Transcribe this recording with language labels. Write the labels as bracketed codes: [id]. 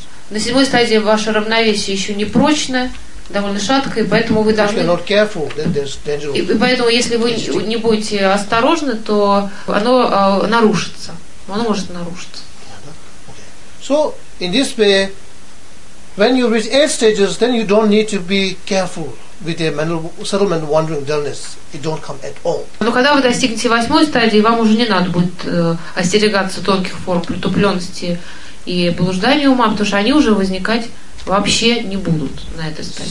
[ru] на седьмой стадии ваше равновесие еще не прочное. Довольно шатко, и поэтому вы должны. И поэтому, если вы не будете осторожны, то оно нарушится. Оно может нарушиться. [en] So in this way, when you reach eight stages, then you don't need to be careful. with a mental settlement, wandering, dullness, it don't come at all. [ru] Но когда вы достигнете восьмой стадии, вам уже не надо будет остерегаться тонких форм притупленности и блуждания ума, потому что они уже возникать вообще не будут на этой стадии.